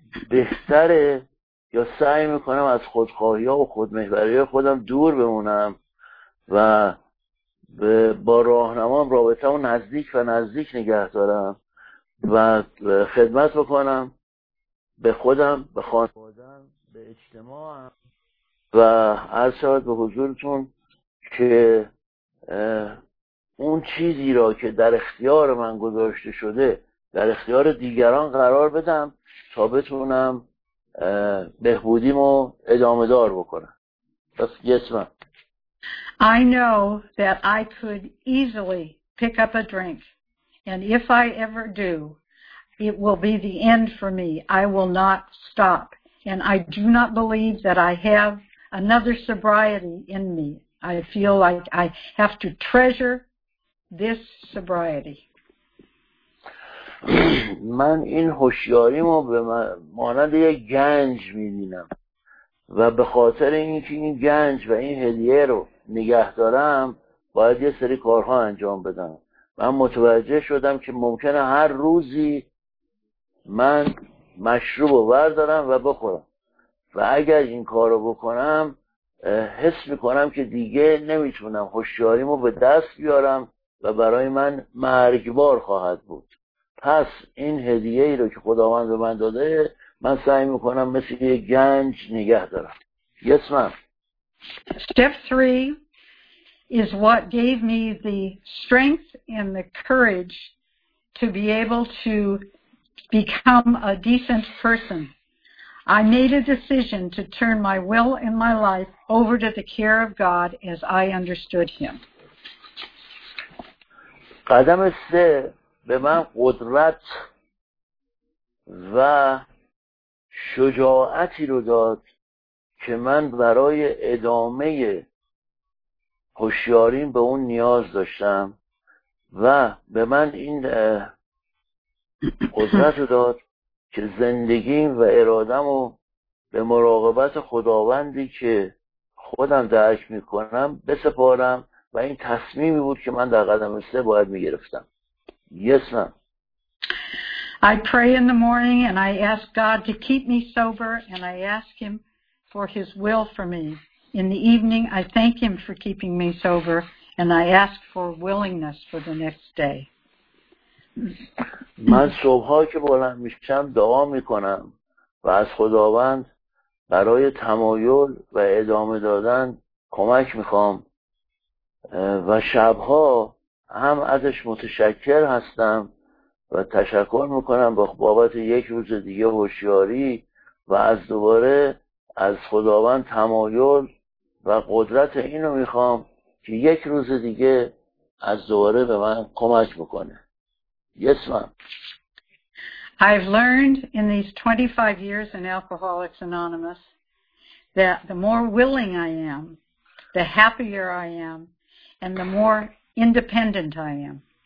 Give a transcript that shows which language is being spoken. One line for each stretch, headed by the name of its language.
Persian: بهتره یا سعی میکنم از خودخواهی ها و خودمحوری خودم دور بمونم و با راهنمام رابطه اون نزدیک و نزدیک نگه دارم و خدمت بکنم به خودم به خانوادم به اجتماعم و عرض شد به حضورتون که اون چیزی را که در اختیار من گذاشته شده در اختیار دیگران قرار بدم تا بتونم بهبودیمو ادامه دار بکنم. بس
English: yes, ma'am. I know that I could easily pick up a drink and if I ever do it will be the end for me. I will not stop and I do not believe that I have another sobriety in me. I feel like I have to treasure this sobriety.
Persian: من این هوشیاریمو به مانند یک گنج می‌بینم و به خاطر اینکه این گنج و این هدیه رو نگه دارم باید یه سری کارها انجام بدم. من متوجه شدم که ممکنه هر روزی من مشروب رو بردارم و بخورم و اگر این کار رو بکنم حس می‌کنم که دیگه نمیتونم هوشیاریمو به دست بیارم و برای من مرگبار خواهد بود. پس این هدیه ای رو که خداوند به من داده من سعی میکنم مثل یه گنج نگه دارم.
English: Yes, ma'am. Step 3 is what gave me the strength and the courage to be able to become a decent person. I made a decision to turn my will and my life over to the care of God as I understood him.
Persian: قدم 3 به من قدرت و شجاعتی رو داد که من برای ادامه هوشیاریم به اون نیاز داشتم و به من این قدرت رو داد که زندگیم و ارادم رو به مراقبت خداوندی که خودم درک میکنم بسپارم و این تصمیمی بود که من در قدم 3 باید میگرفتم.
English: Yes, ma'am. I pray in the morning and I ask God to keep me sober and I ask him for his will for me. In the evening, I thank him for keeping me sober and I ask for willingness for the next day.
Persian: من صبحا که بلند میشم دعا میکنم و از خداوند برای تمایل و ادامه دادن کمک میخوام و شبها هم ازش متشکر هستم و تشکر میکنم بابت یک روز دیگه هوشیاری و از دوباره از خداوند تمایل و قدرت اینو میخوام که یک روز دیگه از دوباره به من کمک بکنه.
English: Yes, ma'am. I've learned in these 25 years in Alcoholics Anonymous that the more willing I am, the happier I am, and the more independent I am.